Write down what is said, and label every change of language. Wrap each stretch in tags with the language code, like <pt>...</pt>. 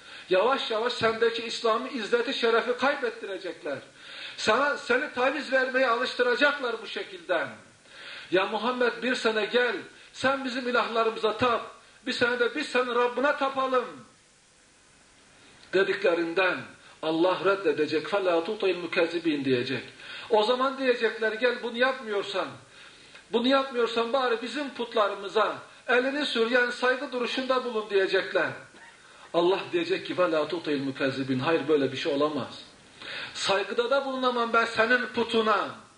<tr>Yavaş yavaş sendeki İslam'ı, izzeti, şerefi kaybettirecekler. Seni taviz vermeye alıştıracaklar bu şekilde. Ya Muhammed bir sene gel, sen bizim ilahlarımıza tap, bir sene de biz senin Rabbine tapalım dediklerinden Allah reddedecek.</tr> <ar>فَلَا تُطَيْ الْمُكَذِب۪ينَ</ar> <tr>diyecek. O zaman diyecekler, gel bunu yapmıyorsan, bunu yapmıyorsan bari bizim putlarımıza elini sür, yani saygı duruşunda bulun diyecekler. Allah diyecek ki</tr> <ar>فَلَا تُطَيْ الْمُكَذِب۪ينَ,</ar> <tr>hayır böyle bir şey olamaz. saygıda da bulunamam ben senin putuna.</tr>